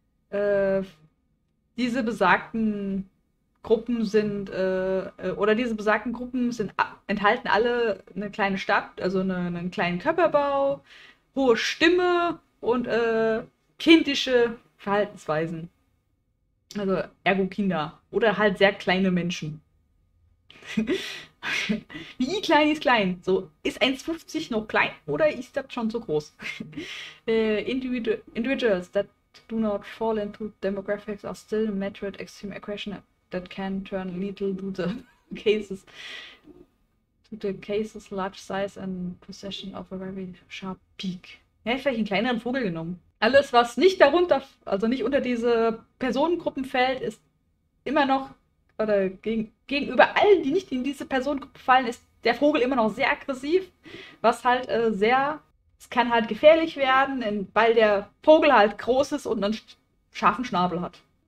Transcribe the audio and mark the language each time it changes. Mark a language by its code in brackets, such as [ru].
[de] Diese besagten Gruppen sind, oder diese besagten Gruppen sind, enthalten alle eine kleine Stadt, also einen kleinen Körperbau, hohe Stimme und kindische Verhaltensweisen. Also ergo Kinder oder halt sehr kleine Menschen. Wie klein ist klein? So, ist 1,50 noch klein oder ist das schon so groß? [en] Individuals that do not fall into demographics are still measured extreme aggression that can turn lethal to the cases large size and possession of a very sharp beak. [de] Ja, ich hätte einen kleineren Vogel genommen. Alles, was nicht darunter, also nicht unter diese Personengruppen fällt, ist immer noch, oder gegenüber allen, die nicht in diese Personengruppe fallen, ist der Vogel immer noch sehr aggressiv, was halt es kann halt gefährlich werden, weil der Vogel halt groß ist und einen scharfen Schnabel hat.